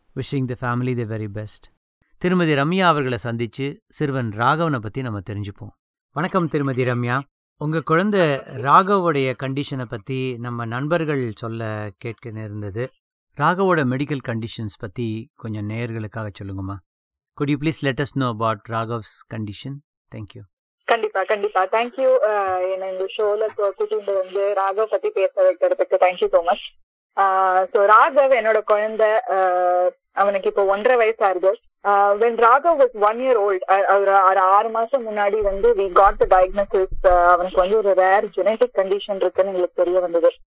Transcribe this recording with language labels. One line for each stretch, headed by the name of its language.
English: Wishing the family the very best.
Tamil: திருமதி ரம்யா அவர்களை சந்தித்து சிறுவன் ராகவனை பற்றி நம்ம தெரிஞ்சுப்போம். வணக்கம் திருமதி ரம்யா. உங்கள் குழந்தை ராகவோடைய கண்டிஷனை பற்றி நம்ம நண்பர்கள் சொல்ல கேட்க நேர்ந்தது. ராகவோட மெடிக்கல் கண்டிஷன்ஸ் பற்றி கொஞ்சம் நேயர்களுக்காக சொல்லுங்கம்மா.
English: Could you please let us know about Raghav's condition? Thank you.
Tamil: கண்டிப்பா கண்டிப்பா. தேங்க்யூ என்ன இந்த ஷோல கூட்டிட்டு வந்து ராகவ் பத்தி பேச வைக்கிறதுக்கு.
English: Thank you so much.
Tamil: So Raghav என்னோட குழந்தை, அவனுக்கு இப்போ 1.5 வயசா இருக்கு.
English: when Raghav was 1 year old,
Tamil: அவர் 6 மாசம் முன்னாடி வந்து
English: we got the diagnosis
Tamil: அவனுக்கு வந்து ஒரு ரேர் ஜெனட்டிக் கண்டிஷன் இருக்குன்னு எங்களுக்கு தெரிய வந்தது.